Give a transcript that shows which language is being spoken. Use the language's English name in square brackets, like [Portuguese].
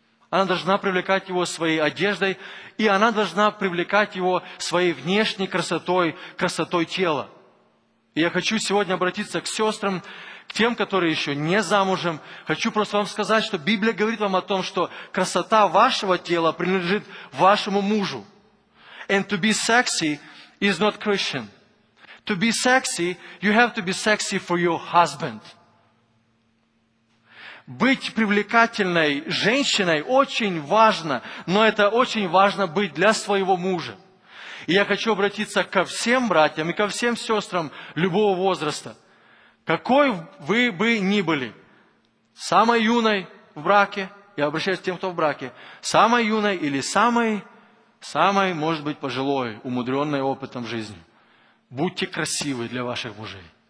[Russian] Она должна привлекать его своей одеждой, и она должна привлекать его своей внешней красотой, красотой тела. И я хочу сегодня обратиться к сестрам, тем, которые еще не замужем, хочу просто вам сказать, что Библия говорит вам о том, что красота вашего тела принадлежит вашему мужу. [English] And to be sexy is not Christian. To be sexy, you have to be sexy for your husband. [Russian] Быть привлекательной женщиной очень важно, но это очень важно быть для своего мужа. И я хочу обратиться ко всем братьям и ко всем сестрам любого возраста. Какой вы бы ни были, самой юной в браке, я обращаюсь к тем, кто в браке, самой юной или самой, может быть, пожилой, умудренной опытом жизни, будьте красивы для ваших мужей.